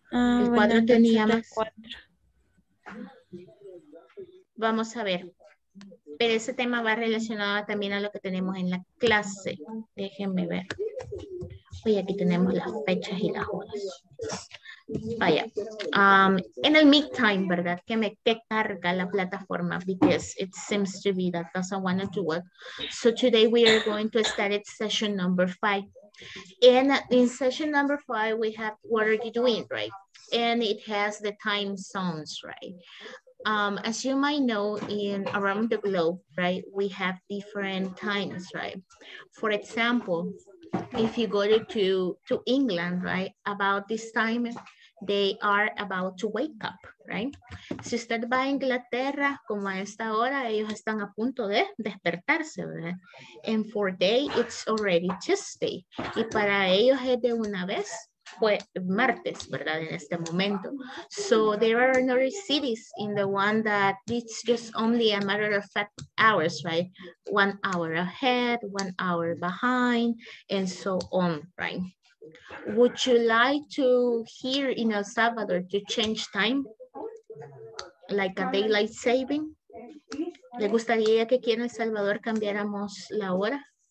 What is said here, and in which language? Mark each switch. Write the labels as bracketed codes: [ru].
[es] El 4 tenía más. Vamos a ver. Pero ese tema va relacionado también a lo que tenemos en la clase. Déjenme ver. Y aquí tenemos las fechas y las horas. Vaya, en el meantime, ¿verdad? Que carga la plataforma, [en] because it seems to be that doesn't want to work. So today we are going to start at session number 5. And in session number 5, we have what are you doing, right? And it has the time zones, right? As you might know, in around the globe, right? We have different times, right? For example, if you go to England, right? About this time, they are about to wake up, right? [es] Si usted va a Inglaterra, como a esta hora, ellos están a punto de despertarse, ¿verdad? [en] And for day, it's already Tuesday. [es] Y para ellos es de una vez, pues, martes, ¿verdad? En este momento. [en] So there are no cities in the one that it's just only a matter of fact hours, right? 1 hour ahead, 1 hour behind, and so on, right? Would you like to here in El Salvador to change time? Like a daylight saving? [es] ¿Le gustaría que aquí en El Salvador cambiáramos la hora?